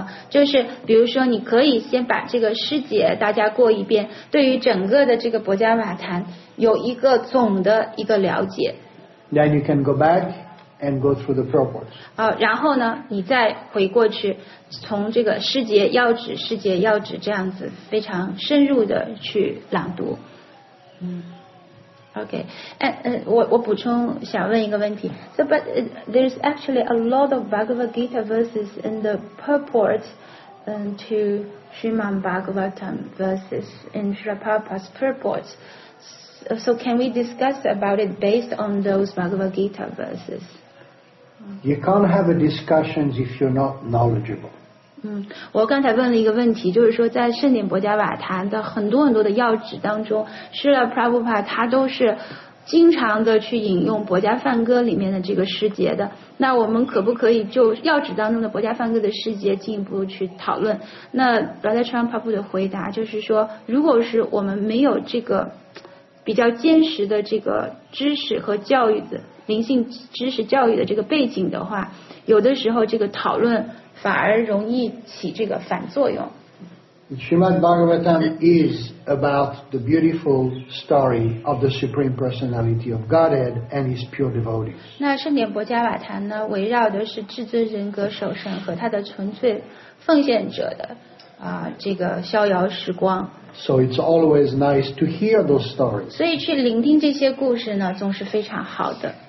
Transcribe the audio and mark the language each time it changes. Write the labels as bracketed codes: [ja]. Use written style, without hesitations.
[zh] 就是比如说，你可以先把这个师姐大家过一遍，对于整个的这个博迦瓦坛有一个总的一个了解。 [en] Then you can go back and go through the purports. [zh] 然后呢，你再回过去，从这个师姐要旨、师姐要旨这样子非常深入的去朗读。 OK， 我补充想问一个问题。 [en] So, but there's actually a lot of Bhagavad Gita verses in the purport, to Srimad Bhagavatam verses in Srila Prabhupada's purports. So can we discuss about it based on those Bhagavad Gita verses? You can't have a discussion if you're not knowledgeable. [zh] 我刚才问了一个问题，就是说在圣典博迦瓦塔的很多很多的要旨当中，是了 Prabhupada 他都是经常的去引用博迦梵歌里面的这个诗节的，那我们可不可以就要旨当中的博迦梵歌的诗节进一步去讨论？那 Brother Chan Prabhu 的回答就是说，如果是我们没有这个比较坚实的这个知识和教育的灵性知识教育的这个背景的话，有的时候这个讨论反而容易起这个反作用。 [en] Srimad Bhagavatam is about the beautiful story of the Supreme Personality of Godhead and His pure devotees. [zh] 那圣典博迦瓦坛呢，围绕的是至尊人格守神和他的纯粹奉献者的啊，这个逍遥时光。 [en] So it's always nice to hear those stories. [zh] 所以去聆听这些故事呢，总是非常好的。